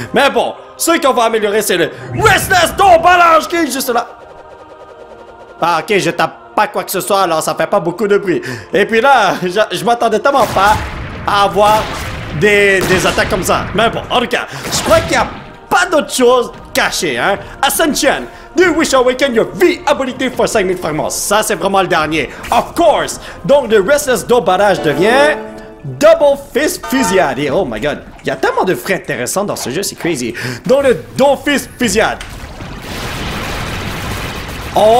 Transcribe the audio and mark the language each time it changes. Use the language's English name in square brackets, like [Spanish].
[French] Mais bon, ce qu'on va améliorer, c'est le Restless Door Barrage qui est juste là. Ah, ok, je tape pas quoi que ce soit, alors ça fait pas beaucoup de bruit. Et puis là, je m'attendais tellement pas à avoir des attaques comme ça. Mais bon, en tout cas, je crois qu'il y a pas d'autre chose cachée, hein. Ascension! [English] Do you wish to awaken your V ability for 5000 fragments? [French] Ça, c'est vraiment le dernier. [English] Of course! [French] Donc, le Restless Door Barrage devient... Double Fist Fusillade. [English] Oh my god. [French] Il y a tellement de frais intéressants dans ce jeu, c'est crazy. Donc, le Double Fist Fusillade. Oh!